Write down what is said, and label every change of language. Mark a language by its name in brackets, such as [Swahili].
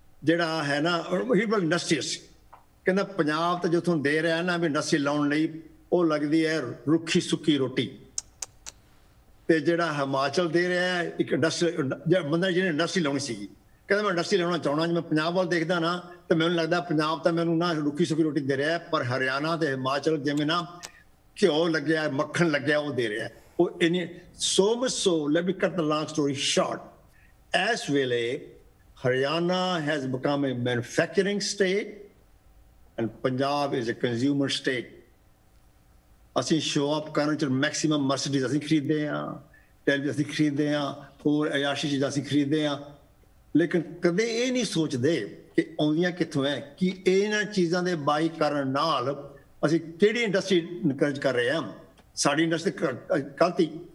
[Punjabi] ਜਿਹੜਾ ਹੈ ਨਾ ਹਿਬਲ ਇੰਡਸਟਰੀਅਸ ਕਹਿੰਦਾ ਪੰਜਾਬ ਤਾਂ ਜਿੱਥੋਂ ਦੇ ਰਿਹਾ ਨਾ ਵੀ ਇੰਡਸਟਰੀ ਲਾਉਣ ਲਈ ਉਹ ਲੱਗਦੀ ਹੈ ਰੁੱਖੀ ਸੁੱਕੀ ਰੋਟੀ ਅਤੇ ਜਿਹੜਾ ਹਿਮਾਚਲ ਦੇ ਰਿਹਾ ਇੱਕ ਇੰਡਸਟਰੀ ਬੰਦਾ ਜਿਹਨੇ ਇੰਡਸਟਰੀ ਲਾਉਣੀ ਸੀਗੀ ਕਹਿੰਦਾ ਮੈਂ ਇੰਡਸਟਰੀ ਲਾਉਣਾ ਚਾਹੁੰਦਾ ਜੇ ਮੈਂ ਪੰਜਾਬ ਵੱਲ ਦੇਖਦਾ ਨਾ ਤਾਂ ਮੈਨੂੰ ਲੱਗਦਾ ਪੰਜਾਬ ਤਾਂ ਮੈਨੂੰ ਨਾ ਰੁੱਖੀ ਸੁੱਕੀ ਰੋਟੀ ਦੇ ਰਿਹਾ ਪਰ ਹਰਿਆਣਾ ਅਤੇ ਹਿਮਾਚਲ ਜਿਵੇਂ ਨਾ ਘਿਓ ਲੱਗਿਆ ਮੱਖਣ ਲੱਗਿਆ ਉਹ ਦੇ ਰਿਹਾ ਉਹ ਇੰਨੇ [English] so much so let me cut the long story short [Punjabi] ਇਸ ਵੇਲੇ [English] Haryana has become a manufacturing state and Punjab is a consumer state. [Punjabi] ਅਸੀਂ ਸ਼ੋਅ ਅਪ ਕਰਨ ਚ ਮੈਕਸੀਮਮ ਮਰਸੀਡੀਜ਼ ਅਸੀਂ ਖਰੀਦਦੇ ਹਾਂ, ਟੈਲੀ ਅਸੀਂ ਖਰੀਦਦੇ ਹਾਂ, ਹੋਰ ਅਯਾਸ਼ੀ ਚੀਜ਼ਾਂ ਅਸੀਂ ਖਰੀਦਦੇ ਹਾਂ, ਲੇਕਿਨ ਕਦੇ ਇਹ ਨਹੀਂ ਸੋਚਦੇ ਕਿ ਆਉਂਦੀਆਂ ਕਿੱਥੋਂ ਹੈ, ਕਿ ਇਹਨਾਂ ਚੀਜ਼ਾਂ ਦੇ ਬਾਈ ਕਰਨ ਨਾਲ ਅਸੀਂ ਕਿਹੜੀ ਇੰਡਸਟਰੀ ਇਨਕਰੇਜ ਕਰ ਰਹੇ ਹਾਂ, ਸਾਡੀ ਇੰਡਸਟਰੀ ਕਲਤੀ।